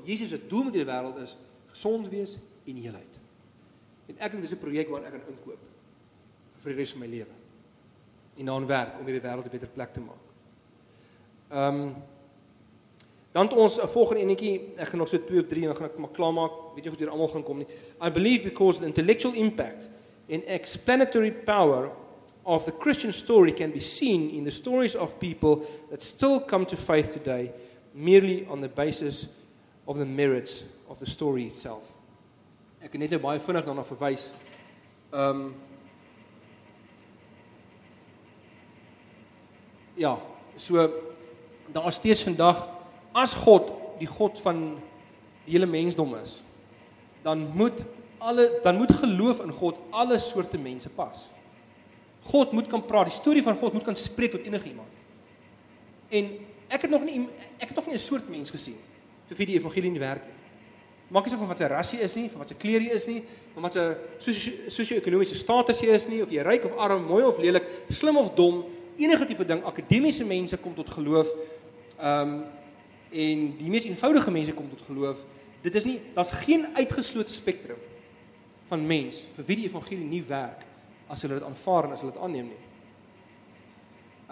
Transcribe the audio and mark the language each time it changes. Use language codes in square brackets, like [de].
[af] Jesus se doel met die wêreld is gesond wees en heelheid. En ek dink dis 'n projek waarin ek kan inkoop vir die rest van my lewe. En dan werk om hierdie wêreld 'n beter plek te maak. Dan het ons 'n volgende enetjie, ek gaan nog so 2 of 3 en dan gaan ek maar klaar maak. Weet jy of dit almal gaan kom nie. [en] I believe because the intellectual impact and explanatory power of the Christian story can be seen in the stories of people that still come to faith today merely on the basis of the merits of the story itself. [af] Ek kan net nou baie vinnig daarna verwys. Ja, so, daar is steeds vandag, as God die God van die hele mensdom is, dan moet geloof in God alle soorte mense pas. God moet kan praat, die storie van God moet kan spreek tot enige iemand. En ek het nog nie 'n soort mens gesien, vir wie die evangelie nie werk nie. Maak nie saak van wat sy rasie is nie, van wat sy kleer is nie, van wat sy sosio-ekonomiese status is nie, of jy ryk of arm, mooi of lelik, slim of dom, enige tipe ding, akademiese mense kom tot geloof, en die mees eenvoudige mense kom tot geloof, dit is nie, daar's geen uitgeslote spektrum van mens, vir wie die evangelie nie werk, as hulle dit aanvaar en as hulle dit aanneem nie.